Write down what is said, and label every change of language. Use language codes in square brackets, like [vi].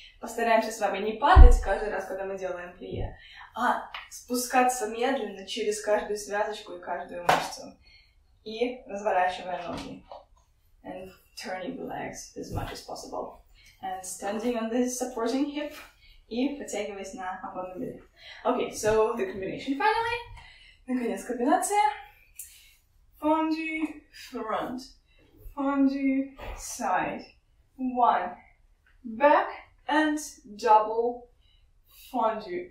[ru] Постараемся с вами не падать каждый раз, когда мы делаем плие, а спускаться медленно через каждую связочку и каждую мышцу. И разворачивая ноги. [en] And turning the legs as much as possible. And standing on the supporting hip [ru] и подтягиваясь на опорный билет. [en] Okay, so the combination finally. [ru] Наконец комбинация. [en] Fondue front, fondue side. One, back and double fondue.